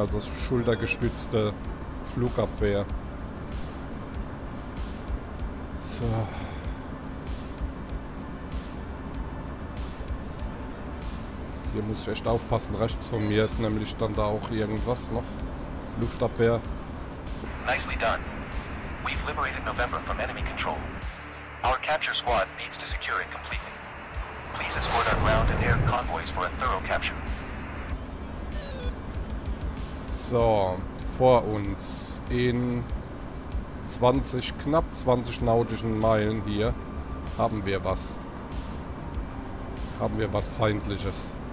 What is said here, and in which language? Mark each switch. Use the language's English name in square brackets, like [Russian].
[German] Also schultergestützte Flugabwehr. So. Hier muss ich echt aufpassen. Rechts von mir ist nämlich dann da auch irgendwas noch. Luftabwehr. [English] Nicely done. We've liberated November from enemy control. Our capture squad needs to secure it completely. Please escort our ground and air convoys for a thorough capture. [German] So, vor uns in 20, knapp 20 nautischen Meilen hier haben wir was. Haben wir was Feindliches.